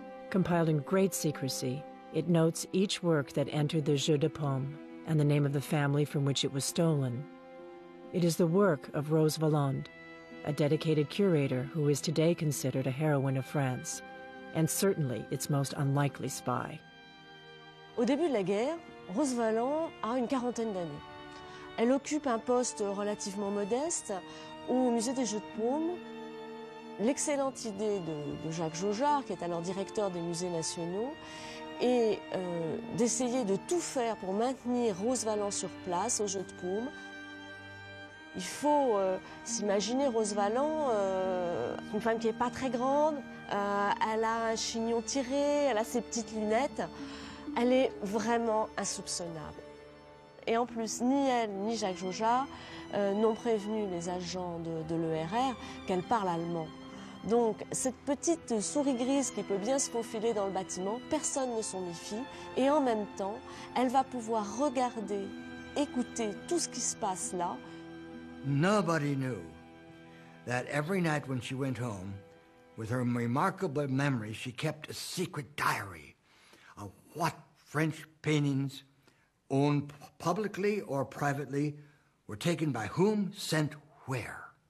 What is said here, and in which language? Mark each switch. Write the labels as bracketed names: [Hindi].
[English] Compiled in great secrecy, it notes each work that entered the Jeu de Paume and the name of the family from which it was stolen. It is the work of Rose Valland, a dedicated curator who is today considered a heroine of France, and certainly its most unlikely spy. [French] Au début de la guerre, Rose Valland a une quarantaine d'années. Elle occupe un poste relativement modeste au musée des Jeux de Paume. L'excellente idée de Jacques Jaujard, qui est alors directeur des musées nationaux, est d'essayer de tout faire pour maintenir Rose Valland sur place aux Jeux de Paume. Il faut s'imaginer Rose Valland, une femme qui n'est pas très grande, elle a un chignon tiré, elle a ses petites lunettes. Elle est vraiment insoupçonnable. Et en plus, ni elle ni Jacques Jaujard n'ont prévenu les agents de l'ERR qu'elle parle allemand. Donc cette petite souris grise qui peut bien se faufiler dans le bâtiment, personne ne s'en méfie. Et en même temps, elle va pouvoir regarder, écouter tout ce qui se passe là. [English] Nobody knew that every night when she went home, with her remarkable memory, she kept a secret diary of what French paintings, owned publicly or privately, were taken by whom, sent where.